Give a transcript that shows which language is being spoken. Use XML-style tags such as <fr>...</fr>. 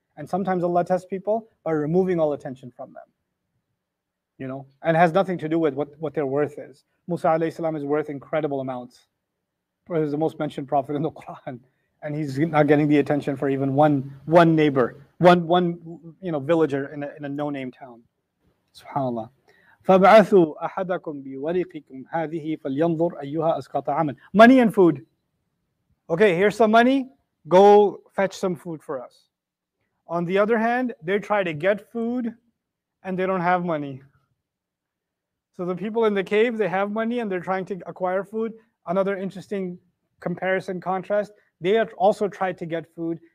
<en>And sometimes Allah tests people by removing all attention from them. You know, and it has nothing to do with what their worth is. Musa alayhi salam is worth incredible amounts. He's the most mentioned prophet in the Quran. And he's not getting the attention for even one neighbor, one you know, villager in a no-name town. SubhanAllah.</en> <ar>فَبْعَثُوا أَحَدَكُمْ بِوَرِقِكُمْ هَذِهِ فَلْيَنْظُرْ أَيُّهَا أَسْقَطَ عَمَنْ</ar> <en>Money and food. Okay, here's some money. Go fetch some food for us. On the other hand, they try to get food and they don't have money. So the people in the cave, they have money and they're trying to acquire food. Another interesting comparison contrast, they also tried to get food.</en>